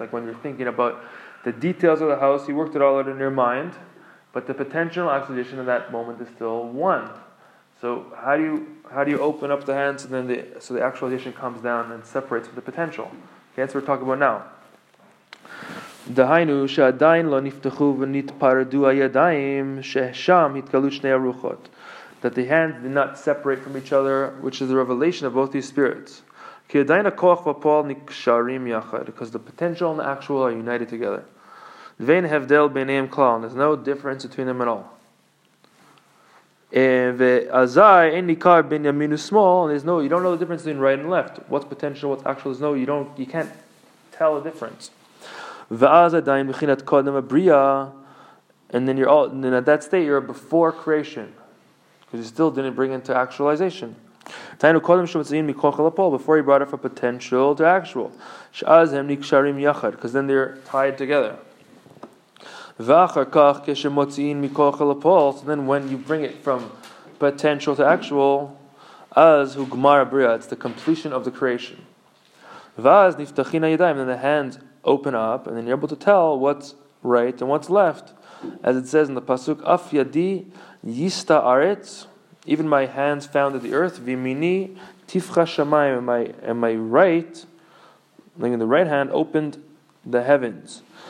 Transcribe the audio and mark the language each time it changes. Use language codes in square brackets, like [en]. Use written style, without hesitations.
[en] Like when you're thinking about the details of the house, you worked it all out in your mind, but the potential actualization of that moment is still one. So how do you open up the hands and then so the actualization comes down and separates from the potential? Okay, that's what we're talking about now. [he] דהיינו שעדיין לא נפתחו ונתפרדו הידיים ששם התקלו שני הרוחות. [en] That the hands did not separate from each other, which is the revelation of both these spirits. [he] כי עדיין הכוח והפועל נקשרים יחד, [en] because the potential and the actual are united together. [he] ואין הבדל ביניהם כלל, [en] there's no difference between them at all. [he] ואזי אין ניכר בין ימין ושמאל, [en] there's no, you don't know the difference between right and left. What's potential, what's actual, there's no, you can't tell the difference. [he] ואז עדיין מכינת קודם הבריאה, [en] and then you're all, and then at that state you're before creation, because you still didn't bring into actualization. [he] תהיינו קודם שמצאים מכוח אל הפועל, [en] before he brought it from potential to actual. [he] שאז הם נקשרים יחד, [en] because then they're tied together. [he] ואחר כך כשמוצאים מכוח אל הפועל, [en] so then when you bring it from potential to actual, [he] אז הוא גמר הבריאה, [en] it's the completion of the creation. [he] ואז נפתחים הידיים, [en] and then the hands open up, and then you're able to tell what's right and what's left. as it says in the pasuk, [he] Af yadi yista aretz, [en] even my hands founded the earth, [he] vimini tifcha shamayim, [en] and my right, like in the right hand, opened the heavens.